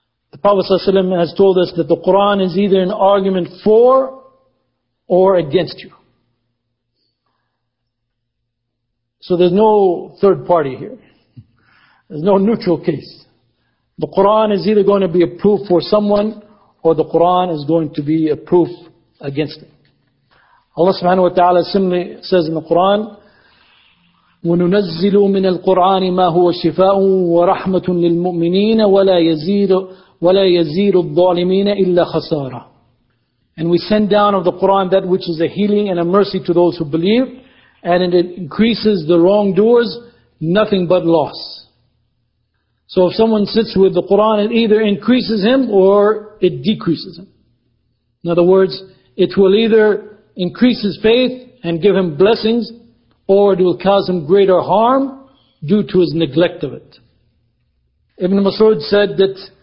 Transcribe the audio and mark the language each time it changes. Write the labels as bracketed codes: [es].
[en] The Prophet ﷺ has told us that the Qur'an is either an argument for or against you. So there's no third party here. There's no neutral case. The Qur'an is either going to be a proof for someone or the Qur'an is going to be a proof against them. [ar] Allah subhanahu wa ta'ala simply says in the Qur'an, وَنُنَزِّلُ مِنَ الْقُرْآنِ مَا هُوَ شِفَاءٌ وَرَحْمَةٌ لِلْمُؤْمِنِينَ وَلَا يَزِيرُ الظَّالِمِينَ إِلَّا خَسَارًا. [en] And we send down of the Qur'an that which is a healing and a mercy to those who believe, and it increases the wrongdoers nothing but loss. So if someone sits with the Qur'an, it either increases him or it decreases him. In other words, it will either increase his faith and give him blessings, or it will cause him greater harm due to his neglect of it. Ibn Mas'ud said that